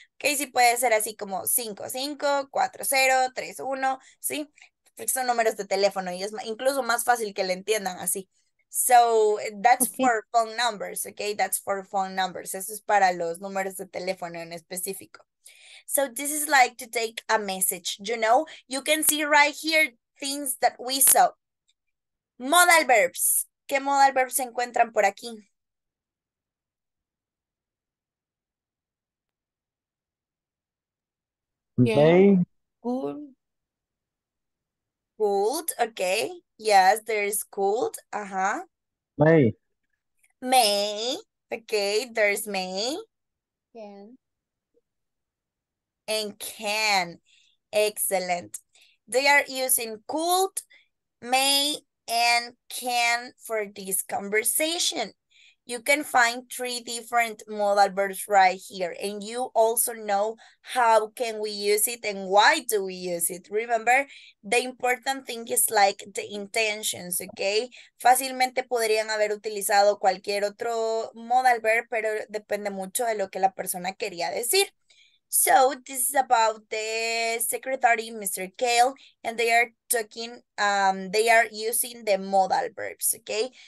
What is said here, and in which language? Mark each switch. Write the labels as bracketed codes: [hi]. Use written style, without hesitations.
[es] Okay, sí puede ser así como 5, 5, 4, 0, 3, 1, ¿sí? Son números de teléfono y es incluso más fácil que le entiendan así. [en] So, that's Okay. for phone numbers, okay? That's for phone numbers. [es] Eso es para los números de teléfono en específico. [en] So, this is like to take a message. You know, you can see right here things that we saw. [es] Modal verbs. ¿Qué modal verbs se encuentran por aquí? [en] Yeah. They Cool. Could, okay. Yes, there is could. play. May, okay, there's may. Can. And can. Excellent. They are using could, may, and can for this conversation. You can find three different modal verbs right here, and you also know how can we use it and why do we use it. Remember, the important thing is like the intentions, okay? [es] Fácilmente podrían haber utilizado cualquier otro modal verb, pero depende mucho de lo que la persona quería decir. [en] So, this is about the secretary, Mr. Kale, and they are using the modal verbs, okay?